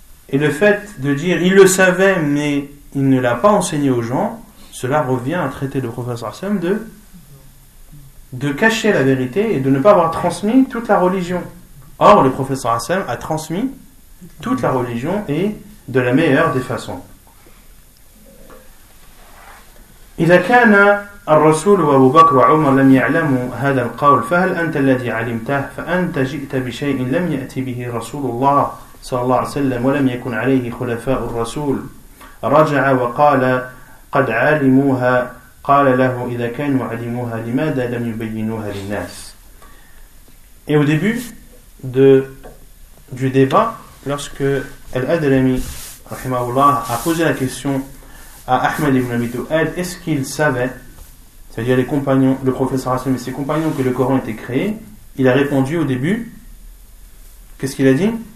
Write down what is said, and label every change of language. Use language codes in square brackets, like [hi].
[fr] Et le fait de dire, il le savait, mais il ne l'a pas enseigné aux gens, cela revient à traiter le prophète sallallahu alayhi wa sallam de cacher la vérité et de ne pas avoir transmis toute la religion. Or, le prophète sallallahu alayhi wa sallam a transmis toute la religion et de la meilleure des façons. [ar] إذا كان الرسول وأبو بكر وعمر لم يعلموا هذا القول فهل أنت الذي علمته فأنت جئت بشيء لم يأتي به رسول الله صلى الله عليه وسلم ولم يكن عليه خلفاء الرسول رجع وقال قد علموها قال له إذا كانوا علموها لماذا لم يبينوها للناس. [fr] Et au début du débat, lorsque Al-Adrami rahimahullah a posé la question à Ahmed ibn Abi Du'ad, est-ce qu'il savait, c'est-à-dire les compagnons, le prophète sallallahu alayhi wa sallam et ses compagnons, que le Coran était créé, il a répondu au début, qu'est-ce qu'il a dit?